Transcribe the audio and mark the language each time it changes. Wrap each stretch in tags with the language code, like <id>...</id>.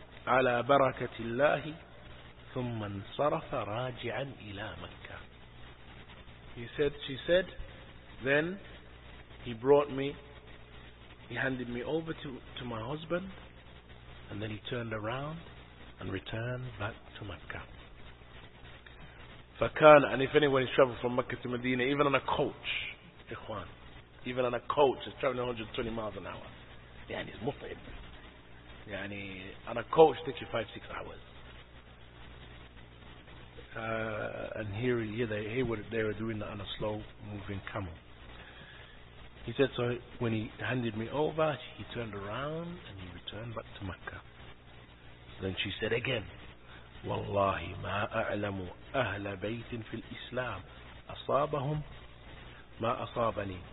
<ar>على بركة الله ثم انصرف راجعا إلى مكة.</ar> <en>She said, then he handed me over to my husband, and then he turned around and returned back to Mecca. فكان, and if anyone is traveling from Mecca to Medina, even on a coach, إخوان, even on a coach, is traveling 120 miles an hour.</en> <ar>يعني مطعب.</ar> <en>يعني on a coach takes you 5-6 hours. And here they were doing that on a slow moving camel. He said, so when he handed me over, he turned around and he returned back to Mecca.</en> <ar>Then she said again, والله ما أعلم أهل بيت في الإسلام أصابهم ما أصابني.</ar>